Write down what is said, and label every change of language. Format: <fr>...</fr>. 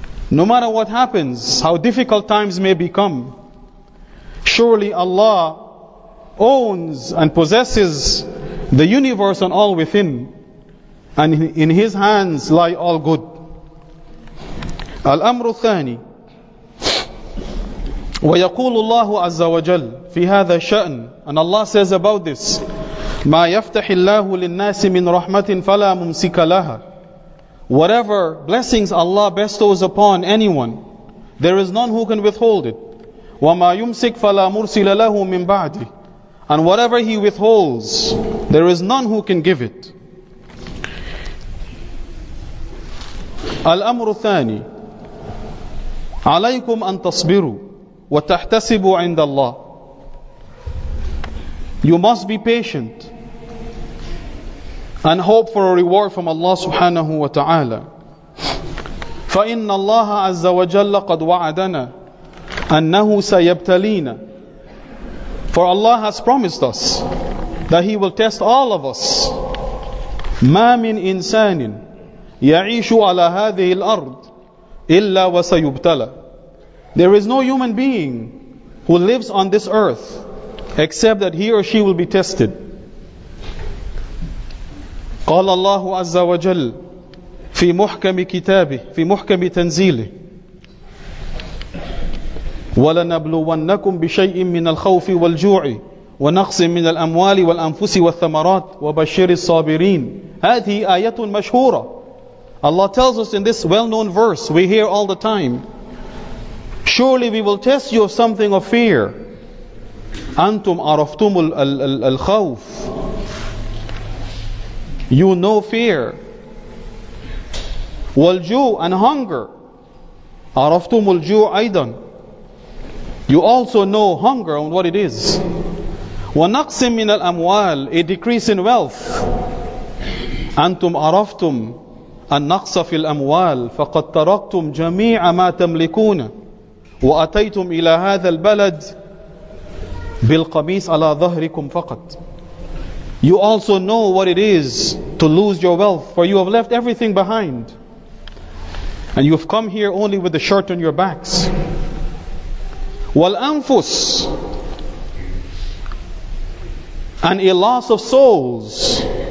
<en>No matter what happens, how difficult times may become, Surely Allah owns and possesses the universe and all within, and in His hands lie all good.</en> <ar>الأمر الثاني ويقول الله عز وجل في هذا الشأن,</ar> <en>and Allah says about this,</en> <ar>ما يفتح الله للناس من رحمة فلا ممسك لها.</ar> <en>Whatever blessings Allah bestows upon anyone, there is none who can withhold it.</en> <ar>وما يمسك فلا مرسل له من بعده.</ar> <en>And whatever He withholds, there is none who can give it.</en> <ar>الأمر الثاني عليكم أن تصبروا وتحتسبوا عند الله.</ar> <en>You must be patient and hope for a reward from Allah subhanahu wa ta'ala.</en> <ar>فَإِنَّ اللَّهَ عَزَّ وَجَلَّ قَدْ وَعَدَنَا أَنَّهُ سَيَبْتَلِينَ.</ar> <en>For Allah has promised us that He will test all of us.</en> <ar>مَا مِنْ إِنسَانٍ يَعِيشُ عَلَى هَذِهِ الْأَرْضِ إِلَّا وَسَيُبْتَلَى.</ar> <en>There is no human being who lives on this earth except that he or she will be tested.</en> <ar>قال الله عز وجل في محكم كتابه في محكم تنزيله ولنبلونكم بشيء من الخوف والجوع ونقص من الأموال والأنفس والثمرات وبشر الصابرين. هذه آية مشهورة.</ar> <en>Allah tells us in this well-known verse we hear all the time, surely we will test you of something of fear.</en> <ar>أنتم عرفتم الخوف.</ar> <en>You know fear.</en> <ar>والجوع</ar> <en>and hunger.</en> <ar>عرفتم الجوع أيضا.</ar> <en>You also know hunger and what it is.</en> <ar>ونقص من الأموال,</ar> <en>a decrease in wealth.</en> <ar>أنتم عرفتم النقص في الأموال فقد تركتم جميع ما تملكون. وأتيتم إلى هذا البلد بالقميص على ظهركم فقط.</ar> <en>You also know what it is to lose your wealth, for you have left everything behind, and you have come here only with a shirt on your backs.</en> <ar>والأنفس,</ar> <en>and a loss of souls.</en>